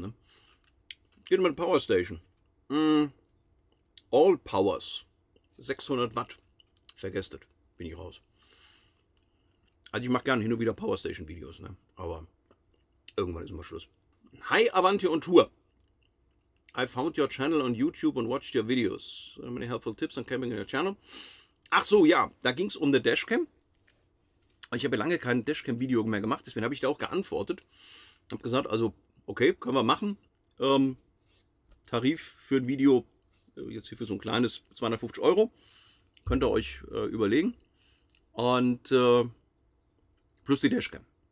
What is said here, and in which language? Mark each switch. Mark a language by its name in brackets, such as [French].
[German] Ne? Geht mit Power Station. All Powers. 600 Watt. Vergesst es. Bin ich raus. Also ich mache gerne hin und wieder Power Station Videos. Ne? Aber irgendwann ist mal Schluss. Hi Avanti und Tour. [English] I found your channel on YouTube and watched your videos. So many helpful tips on camping in your channel. [German] Ach so, ja. Da ging es um eine Dashcam. Ich habe lange kein Dashcam-Video mehr gemacht. Deswegen habe ich da auch geantwortet. Habe gesagt, also, okay, können wir machen. Tarif für ein Video, jetzt hier für so ein kleines, 250 Euro. Könnt ihr euch überlegen. Und plus die Dashcam.